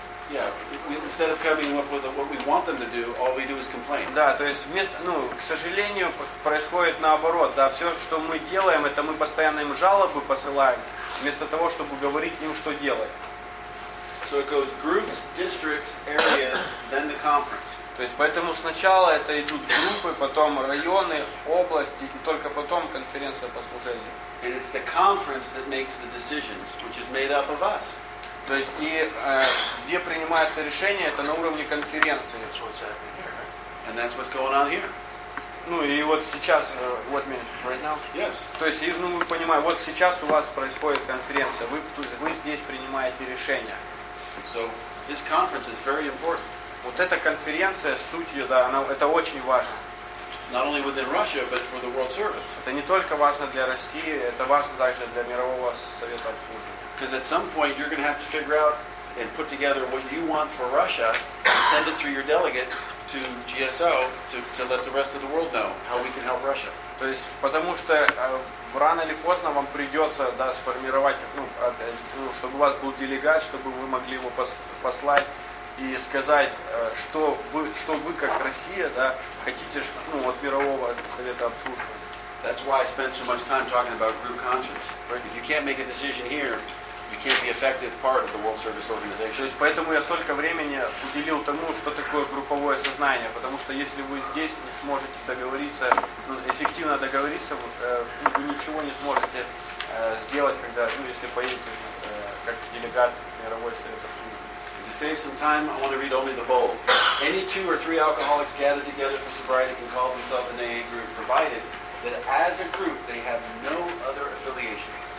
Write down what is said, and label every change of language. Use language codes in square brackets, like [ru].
[en] Yeah, instead of coming up with what we want them to do, all we do is complain. [ru] Да, то есть вместо, ну, к сожалению, происходит наоборот. Да, все, что мы делаем, это мы постоянно им жалобы посылаем, вместо того, чтобы говорить им, что делать. [en] So it goes groups, districts, areas, then the conference. [ru] То есть поэтому сначала это идут группы, потом районы, области, и только потом конференция по служению. [en] And it's the conference that makes the decisions, which is made up of us. [ru] То есть и где принимается решение, это на уровне конференции. [en] That's what's happening here, right? And that's what's going on here. [ru] Ну и вот сейчас, [en] what minute? Right now? Yes. [ru] То есть, и, ну, мы понимаем, вот сейчас у вас происходит конференция, вы здесь принимаете решение. [en] So this conference is very important. [ru] Вот эта конференция, суть ее, да, она, это очень важно. [en] Not only within Russia, but for the World Service. [ru] Это не только важно для России, это важно также для Мирового Совета Обслуживания. [en] Because at some point you're going to have to figure out and put together what you want for Russia and send it through your delegate to GSO to let the rest of the world know how we can help Russia. [ru] То есть, потому что рано или поздно вам придется, да, сформировать, ну, чтобы у вас был делегат, чтобы вы могли его послать и сказать, что вы как Россия, да, хотите, ну, от Мирового Совета Обслуживания. [en] That's why I spend so much time talking about group conscience. Right. If you can't make a decision here, you can't be an effective part of the World Service Organization. [ru] То есть поэтому я столько времени уделил тому, что такое групповое сознание, потому что если вы здесь не сможете договориться, ну, эффективно договориться, вы ничего не сможете сделать, когда, ну, если поедете как делегат Мирового Совета. [en] To save some time, I want to read only the bold. Any two or three alcoholics gathered together for sobriety can call themselves an AA group, provided that as a group they have no other affiliation.